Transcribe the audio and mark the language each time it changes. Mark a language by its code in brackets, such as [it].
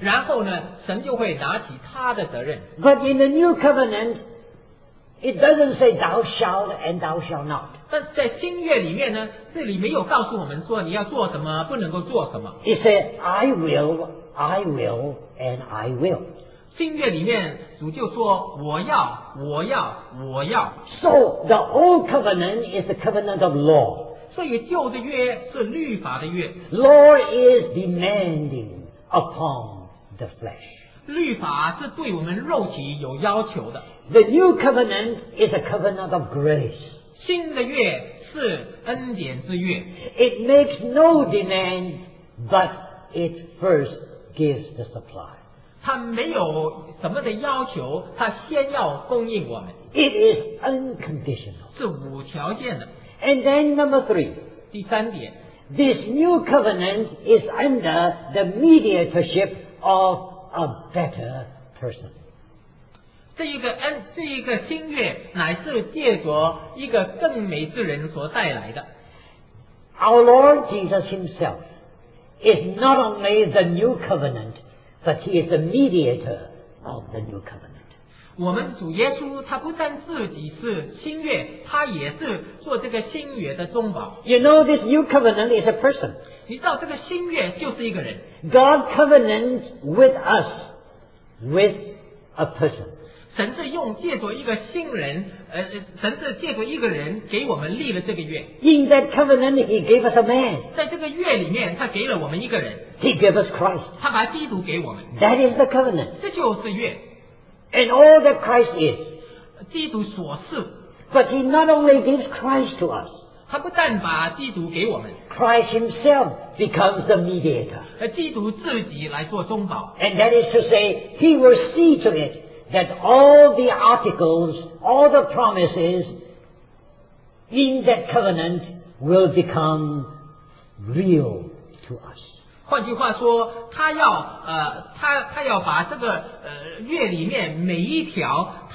[zh] 然后呢，神就会拿起他的责任。 [en] But in the new covenant, it doesn't say thou shalt and thou shalt not. [zh] 但在新约里面呢，这里没有告诉我们说你要做什么，不能够做什么。 [en] It said, I will. I will and I will. [zh] 新约里面主就说我要我要我要。 [en] So the old covenant is the covenant of law. [zh] 所以旧的约是律法的约。 [en] Law is demanding upon the flesh. [zh] 律法是对我们肉体有要求的。 [en] The new covenant is a covenant of grace. [zh] 新的约是恩典之约。 [en] It makes no demand, but it firstgives the supply. [zh] 他没有什么的要求，他先要供应我们。 [en] It is unconditional. [zh] 是无条件的。 [en] And then number three. [zh] 第三点。 [en] This new covenant is under the mediatorship of a better person. [zh] 这一个新约乃是借着一个更美之人所带来的。 [en] Our Lord Jesus Himself. Is not only the new covenant, but he is the mediator of the new covenant. [zh] 我们主耶稣他不但自己是新约，他也是做这个新约的中保。 [en] You know this new covenant is a person. [zh] 你知道这个新约就是一个人。 [en] God covenants with us with a person. [zh] 神是用借着一个新人，神是借着一个人给我们立了这个约。 [en] In that covenant, he gave us a man. [zh] 在这个约里面，他给了我们一个人。 [en] He gave us Christ. [zh] 他把基督给我们。 [en] That is the covenant. [zh] 这就是约。 [en] And all that Christ is. [zh] 基督所是。 [en] But he not only gives Christ to us. [zh] 他不但把基督给我们。 [en] Christ himself becomes the mediator. [zh] 基督自己来做中保。 [en] And that is to say, he will see to it. That all the articles, all the promises in that covenant will become real to us. [zh] 换句话说，他要把这个约里面每一条，